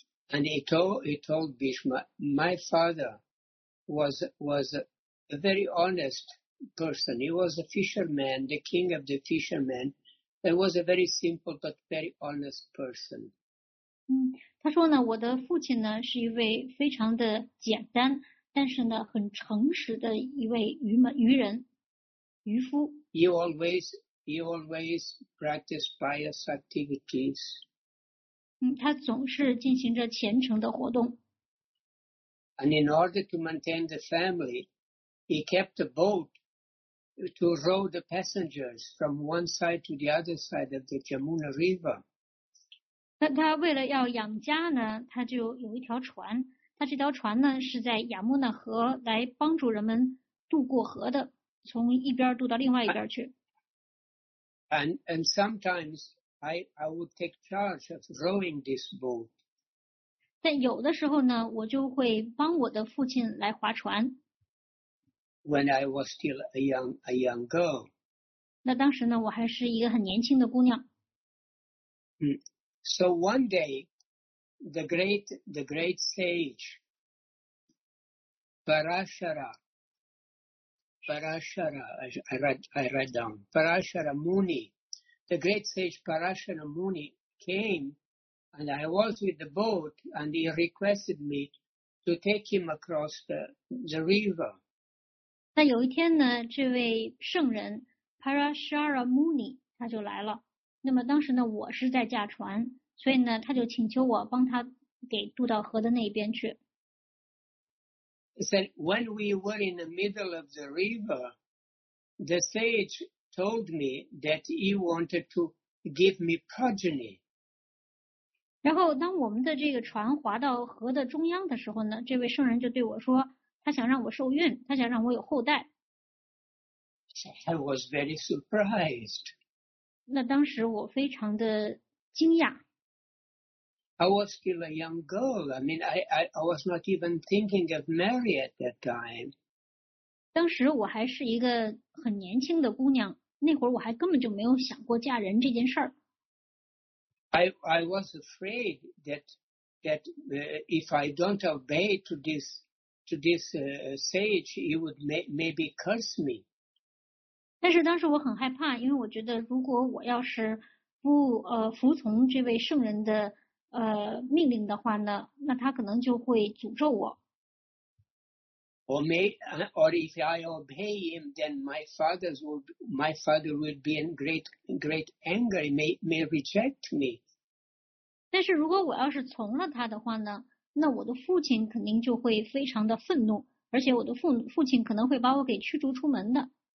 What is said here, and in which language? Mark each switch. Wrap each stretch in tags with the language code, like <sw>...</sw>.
<en>And he told Bhishma, my father was a very honest person. He was a fisherman, the king of the fishermen. He was a very simple but very honest person.</en> <zh>他说呢，我的父亲呢是一位非常的简单，但是呢很诚实的一位渔夫。</zh> <en>He always practiced pious activities.</en> <zh>他总是进行着虔诚的活动。</zh> <en>And in order to maintain the family, he kept a boat to row the passengers from one side to the other side of the Jamuna River.</en> <zh>他为了要养家呢，他就有一条船。他这条船呢是在亚穆纳河来帮助人们渡过河的，从一边渡到另外一边去。</zh> <en>And sometimes. I would take charge of rowing this boat.</en> <zh>但有的时候呢，我就会帮我的父亲来划船。</zh> <en>When I was still a young girl.</en> <zh>那当时呢，我还是一个很年轻的姑娘。</zh> <en>So one day, the great sage Parashara Muni. The great sage Parashara Muni came, and I was with the boat, and he requested me to take him across the river.</en> <zh>那有一天呢，这位圣人 Parashara Muni 他就来了。那么当时呢，我是在驾船，所以呢，他就请求我帮他给渡到河的那边去。</zh> <en>He said, when we were in the middle of the river, the sage. Told me that he wanted to give me progeny.</en> <zh>然后当我们的这个船划到河的中央的时候呢，这位圣人就对我说，他想让我受孕，他想让我有后代。</zh> <en>I was very surprised.</en> <zh>那当时我非常的惊讶。</zh> <en>I was still a young girl. I mean, I was not even thinking of Mary at that time.</en> <zh>当时我还是一个很年轻的姑娘，那会儿我还根本就没有想过嫁人这件事儿。</zh> <en>I was afraid that if I don't obey to this sage, he would maybe curse me.</en> <zh>但是当时我很害怕，因为我觉得如果我要是不服从这位圣人的命令的话呢，那他可能就会诅咒我。</zh> <en>Or if I obey him, then my father would be in great anger. He may reject me.</en> <zh>但是如果我要是从了他的话呢，那我的父亲肯定就会非常的愤怒，而且我的父亲可能会把我给驱逐出门的。</zh>